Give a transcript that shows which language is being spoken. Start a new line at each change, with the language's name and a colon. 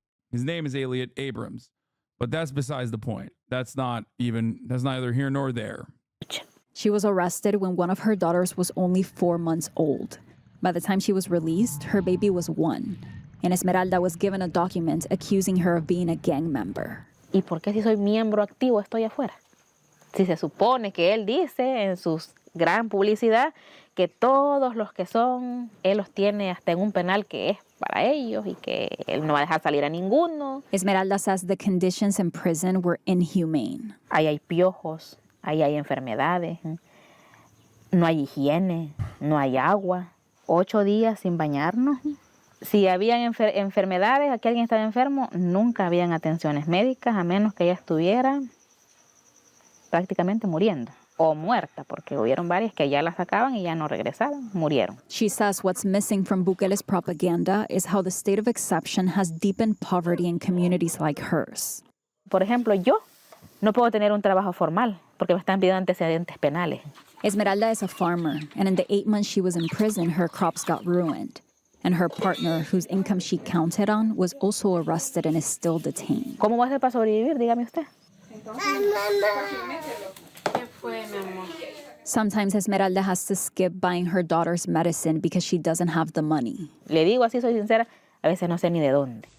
English: His name is Elliot Abrams. But that's besides the point. That's neither here nor there. She was arrested when one of her daughters was only 4 months old. By the time she was released, her baby was one. And Esmeralda was given a document accusing her of being a gang member.
Spanish: ¿Y por qué si soy miembro activo estoy afuera? Si se supone que él dice en su gran publicidad que todos los que son, él los tiene hasta en un penal que es para ellos y que él no va a dejar salir a ninguno.
English: Esmeralda says the conditions in prison were inhumane.
Spanish: Ahí hay piojos, ahí hay enfermedades, no hay higiene, no hay agua, 8 días sin bañarnos. Si habían enfermedades, aquí alguien estaba enfermo, nunca habían atenciones médicas a menos que ella estuviera prácticamente muriendo. O muerta, porque hubieron varias que ya las sacaban y ya no regresaron, murieron.
English: She says what's missing from Bukele's propaganda is how the state of exception has deepened poverty in communities like hers.
Spanish: Por ejemplo, yo no puedo tener un trabajo formal porque me están pidiendo antecedentes penales.
English: Esmeralda is a farmer, and in the 8 months she was in prison, her crops got ruined. And her partner, whose income she counted on, was also arrested and is still detained.
Spanish: ¿Cómo va a ser para sobrevivir? Dígame usted.
English: Sometimes Esmeralda has to skip buying her daughter's medicine because she doesn't have the money.
Spanish: Le digo así, soy sincera, a veces no sé ni de dónde.